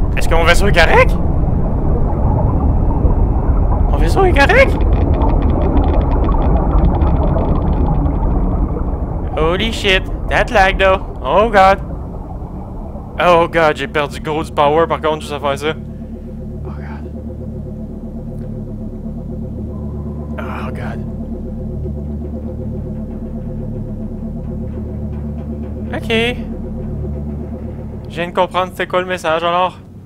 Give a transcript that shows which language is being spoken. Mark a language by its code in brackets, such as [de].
[fr] Mon vaisseau est correct? Mon vaisseau est correct? [en] Holy shit, that lag though. Oh god. Oh god, [fr] j'ai perdu gros du power par contre juste à faire ça. Oh god. [en] Oh god. [fr] Ok. Je viens de comprendre c'était quoi le message alors.